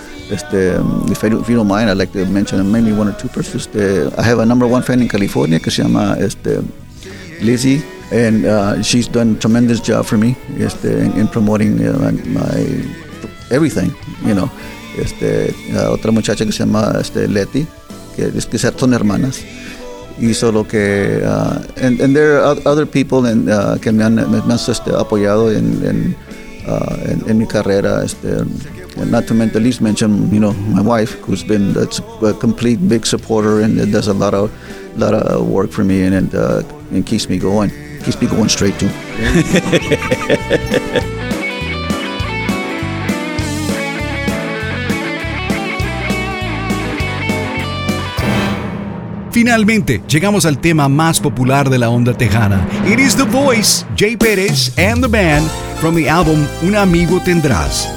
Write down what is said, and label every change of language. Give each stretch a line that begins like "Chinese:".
English: If you don't mind, I'd like to mention maybe one or two persons. I have a number one fan in California
Spanish: que se llama
English: Lizzie, and she's done a tremendous job for me in promoting my everything, you know.
Spanish: Otra muchacha que se llama Leti, que son hermanas. Hizo lo que
English: and there are other people and
Spanish: que me han apoyado en mi carrera,
English: not to mention, at least mention, you know, my wife, who's been a complete big supporter and does a lot of work for me and keeps me going straight too.
Spanish: Finalmente, llegamos al tema más popular de la Onda Tejana.
English: It is The Voice, Jay Perez and the band, from the album Un Amigo Tendrás.